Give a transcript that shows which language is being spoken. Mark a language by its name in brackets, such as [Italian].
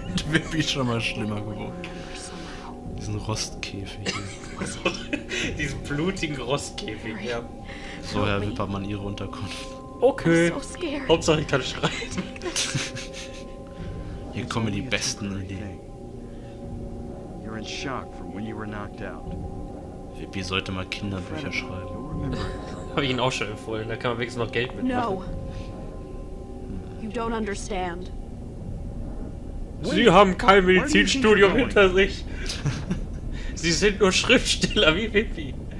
[German] Vippi schon mal schlimmer gewohnt. Diesen Rostkäfig. Diesen blutigen Rostkäfig, ja. So, Herr Wippermann, Ihre Unterkunft. Okay. So Hauptsache, ich kann schreien. Hier kommen die besten Ideen. [English] You're in shock from when you were knocked out. [German] Vippi sollte mal Kinderbücher schreiben. Habe ich ihn auch schon empfohlen, da kann man wenigstens noch Geld mitmachen. [English] No. You don't understand. [German] Sie haben kein Medizinstudium hinter sich. Sie sind nur Schriftsteller wie Vippi.